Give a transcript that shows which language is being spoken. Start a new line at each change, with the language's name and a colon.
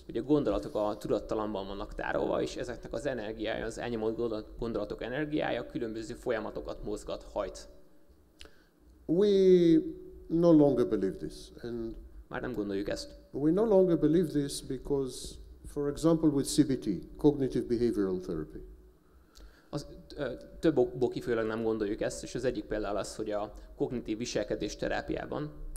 Hungarian: Ugye a gondolatok a tudattalamban vannak tárolva, és ezeknek az energiája, az elnyomott gondolatok energiája különböző folyamatokat mozgat, hajt.
English: We no longer believe this, and
Hungarian: már nem gondoljuk ezt.
English: We no longer believe this because, for example, with CBT, cognitive behavioral therapy.
Hungarian: Az több okból kifolyólag nem gondoljuk ezt, és az egyik például az, hogy a kognitív viselkedés terápiában.